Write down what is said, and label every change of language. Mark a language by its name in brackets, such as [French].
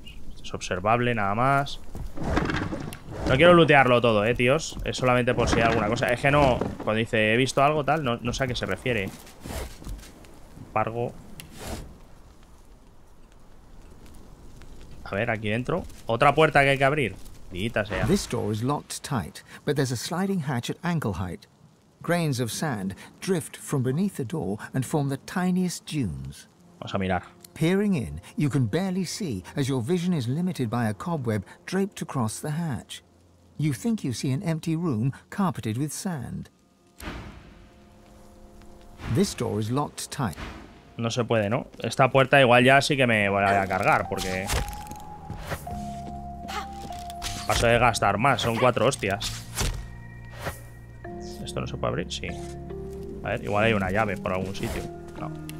[Spanish] Esto es observable, nada más. No quiero lootearlo todo, tíos. Es solamente por si hay alguna cosa. Es que no, cuando dice he visto algo tal, no, no sé a qué se refiere. Pargo. A ver, aquí dentro. Otra puerta que hay que abrir. [English] This door is locked tight, but there's a sliding hatch at ankle height. Grains of sand drift from beneath the door and form the tiniest dunes. [Spanish] Vamos a mirar. [English] Peering in, you can barely see as your vision is limited by a cobweb draped across the hatch. You think you see an empty room carpeted with sand. This door is locked tight. [Spanish] No se puede, ¿no? Esta puerta igual ya sí que me voy a cargar porque... paso de gastar más, son cuatro hostias. ¿Esto no se puede abrir? Sí. A ver, igual hay una llave por algún sitio. No.